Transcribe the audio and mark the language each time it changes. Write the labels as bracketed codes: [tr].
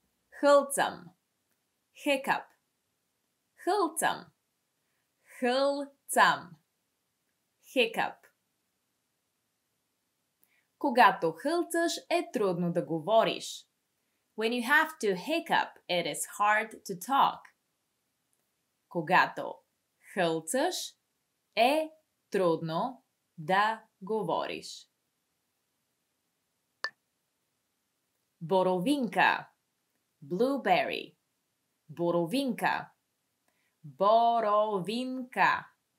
[bg] Хълцам. [en] Hiccup. [bg] Хълцам. Хълцам. [en] Hiccup. [bg] Когато хълцаш, е трудно да говориш. [en] When you have to hiccup, it is hard to talk. [bg] Когато хълцаш, е трудно да говориш. Боровинка. [en] Blueberry. [bg] Боровинка. Боровинка.